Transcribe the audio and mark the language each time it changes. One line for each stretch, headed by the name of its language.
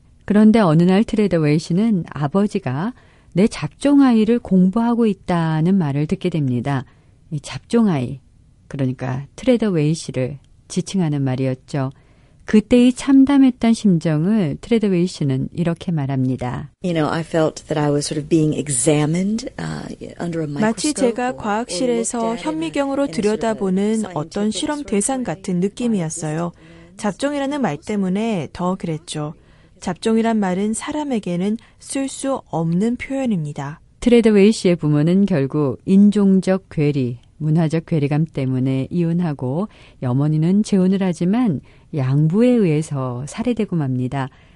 Korean: 그런데 어느 날 트레더웨이 씨는 아버지가 내 잡종아이를 공부하고 있다는 말을 듣게 됩니다. 이 잡종아이, 그러니까 트레더웨이 씨를 지칭하는 말이었죠. 그때의 참담했던 심정을 트레더웨이 씨는 이렇게 말합니다.
English: You know, I felt that I was sort of being examined under a microscope.
Korean: 마치 제가 과학실에서 현미경으로 들여다보는 어떤 실험 대상 같은 느낌이었어요. 잡종이라는 말 때문에 더 그랬죠. 잡종이란 말은 사람에게는 쓸 수 없는 표현입니다. 트레더웨이 씨의 부모는 결국 인종적 괴리, 문화적 괴리감 때문에 이혼하고 어머니는 재혼을 하지만 양부에 의해서 살해되고 맙니다.